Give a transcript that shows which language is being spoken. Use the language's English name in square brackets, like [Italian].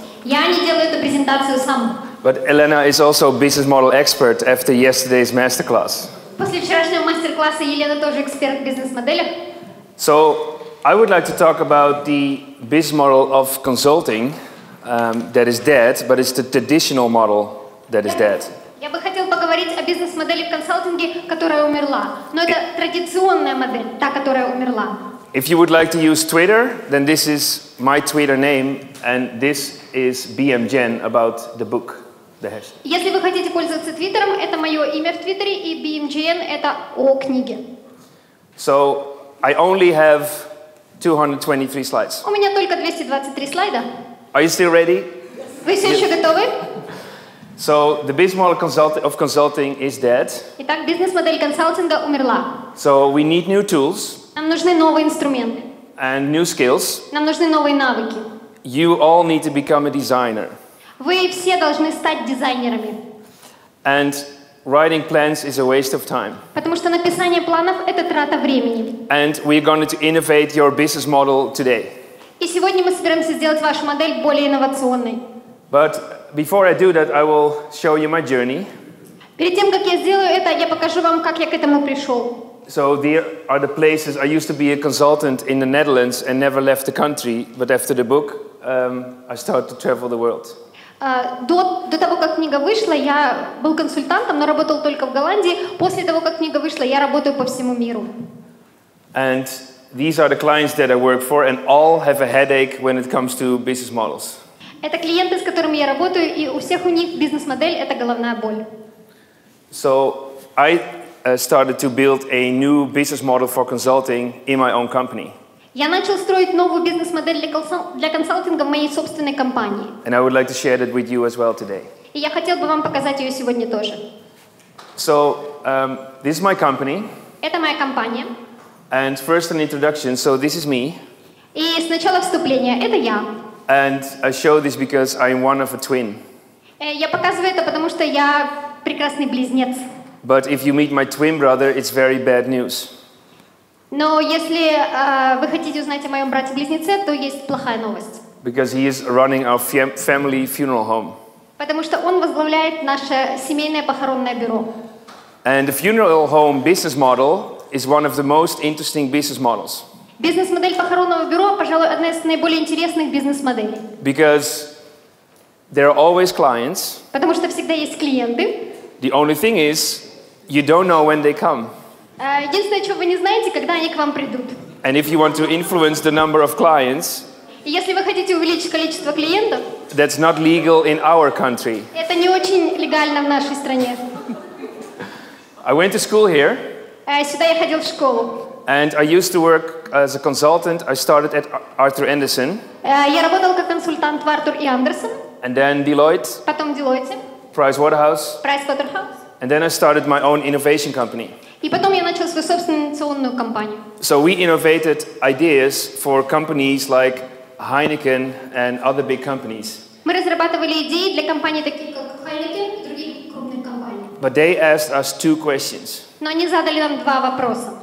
[Russian] Я не делаю эту презентацию сам. [English] But Elena is also business model expert after yesterday's masterclass. [Russian] После вчерашнего мастер-класса Елена тоже эксперт в бизнес-моделях. [English] So, I would like to talk about the business model of consulting that is dead, but it's the traditional model that is dead. [Russian] Я бы хотел поговорить о бизнес-модели в консалтинге, которая умерла. Но это традиционная модель, та, которая умерла. [English] If you would like to use Twitter, then this is my Twitter name, and this is BM Jen about the book, the hashtag. [Russian] Если вы хотите пользоваться Твиттером, это мое имя в Твиттере, и BM Jen — это о книге. [English] So, I only have 223 slides. [Russian] У меня только 223 слайда. [English] Are you still ready? [Russian] Вы все еще готовы? [English] So, the business model of consulting is dead. [Russian] Итак, бизнес-модель консалтинга умерла. [English] So, we need new tools. [Russian] Нам нужны новые инструменты. [English] And new skills. [Russian] Нам нужны новые навыки. [English] You all need to become a designer. [Russian] Вы все должны стать дизайнерами. [English] And writing plans is a waste of time. [Russian] Потому что написание планов — это трата времени. [English] And we're going to innovate your business model today. [Russian] И сегодня мы собираемся сделать вашу модель более инновационной. [English] But before I do that, I will show you my journey. [Russian] Перед тем, как я сделаю это, я покажу вам, как я к этому пришел. [English] So there are the places I used to be a consultant in the Netherlands and never left the country, but after the book, I started to travel the world. [Russian] До того, как книга вышла, я был консультантом, но работал только в Голландии. После того, как книга вышла, я работаю по всему миру. [English] And these are the clients that I work for, and all have a headache when it comes to business models. [Russian] Это клиенты, с которыми я работаю, и у всех у них бизнес-модель — это головная боль. [English] So I started to build a new business model for consulting in my own company. [Russian] Я начал строить новую бизнес-модель для консалтинга в моей собственной компании. [English] And I would like to share that with you as well today. [Russian] И я хотел бы вам показать ее сегодня тоже. [English] So, this is my company. [Russian] Это моя компания. [English] And first an introduction, so this is me. [Russian] И сначала вступление, это я. [English] And I show this because I'm one of a twin. [Russian] Я показываю это, потому что я прекрасный близнец. [English] But if you meet my twin brother, it's very bad news. [Russian] Но если вы хотите узнать о моем брате-близнеце, то есть плохая новость. [English] Because he is running our family funeral home. [Russian] Потому что он возглавляет наше семейное похоронное бюро. [English] And the funeral home business model is one of the most interesting business models. [Russian] Бизнес-модель похоронного бюро, пожалуй, одна из наиболее интересных бизнес-моделей. [English] Because there are always clients. [Russian] Потому что всегда есть клиенты. [English] The only thing is, you don't know when they come. [Russian] Единственное, чего вы не знаете, когда они к вам придут. [English] And if you want to influence the number of clients, [Russian] если вы хотите увеличить количество клиентов, [English] that's not legal in our country. [Russian] Это не очень легально в нашей стране. [English] I went to school here. [Russian] Сюда я ходил в школу. [English] And I used to work as a consultant. I started at Arthur Andersen. [Russian] Я работал как консультант в Arthur и Andersen. [English] And then Deloitte. [Russian] Потом Deloitte. [English] Pricewaterhouse. [Russian] Pricewaterhouse. [English] And then I started my own innovation company. [Russian] И потом я начал свою собственную инновационную компанию. [English] So we innovated ideas for companies like Heineken and other big companies. [Russian] Мы разрабатывали идеи для компаний таких как Heineken и других крупных компаний. [English] But they asked us two questions. [Russian] Но они задали нам два вопроса.